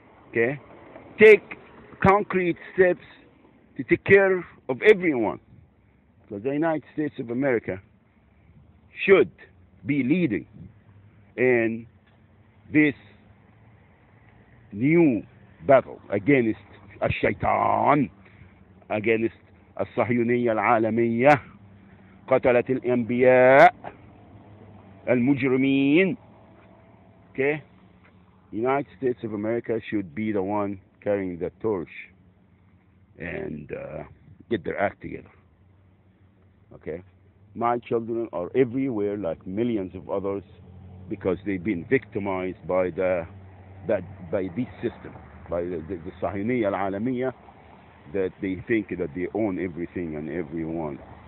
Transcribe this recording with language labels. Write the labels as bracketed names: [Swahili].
[English] Okay, take concrete steps to take care of everyone, because the United States of America should be leading in this new battle against al-Shaytan, against [Arabic] الصهيونية العالمية قتلت الأنبياء المجرمين. [English] Okay, United States of America should be the one carrying the torch and get their act together. Okay, my children are everywhere, like millions of others, because they've been victimized by this system, by the [Arabic] Sahyuniyya al-Alamiyya, [English] that they think that they own everything and everyone.